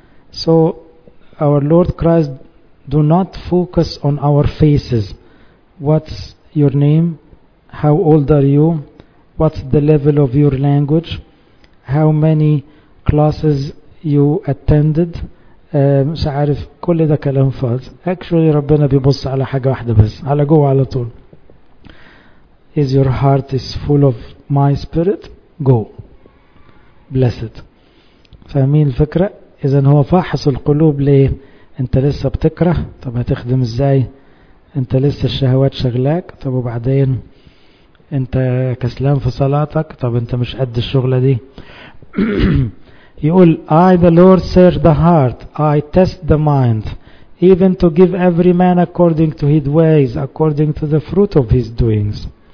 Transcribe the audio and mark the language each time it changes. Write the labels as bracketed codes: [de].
[en] So our Lord Christ, do not focus on our faces. What's your name? How old are you? What's the level of your language? How many classes you attended? [ar] مش عارف كل ده كلام فاضي. Actually ربنا بيبص على حاجة واحدة بس, على جوه على طول. [en] Is your heart is full of my spirit? Go. Blessed. [ar] فاهمين الفكرة؟ إذا هو فاحص القلوب ليه؟ أنت لسه بتكره؟ طب هتخدم إزاي؟ أنت لسه الشهوات شغلاك؟ طب وبعدين؟ أنت كسلان في صلاتك؟ طب أنت مش قد الشغلة دي؟ يقول [en] I the Lord search the heart, I test the mind, even to give every man according to his ways, according to the fruit of his doings.